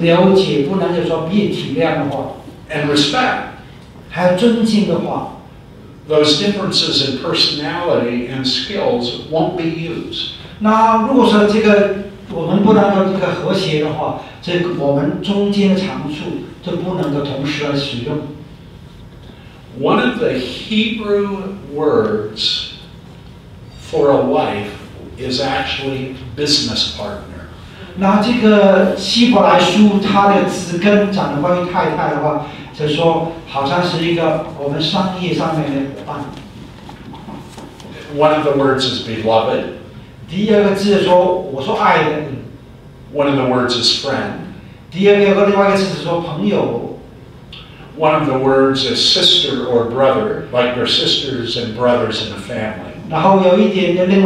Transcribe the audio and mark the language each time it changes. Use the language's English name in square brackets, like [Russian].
[Chinese] 可是如果说我中间不能共鸣，不能了解，不能就说彼此体谅的话 [English] ，and respect, [Chinese] 还有尊敬的话 [English] ，those differences in personality and skills won't be used. [Chinese] 那如果说这个我们不能够这个和谐的话，这个我们中间的长处就不能够同时来使用。 [English] One of the Hebrew words for a wife is actually business partner. [Chinese] 那这个希伯来书它的词根讲的关于太太的话，就说好像是一个我们商业上面的伙伴。 [English] One of the words is beloved. [Chinese] 第二个字说我说爱人。 [English] One of the words is friend. [Chinese] 第二个另外一个字是说朋友。 [English] One of the words is sister or brother, like your sisters and brothers in a family.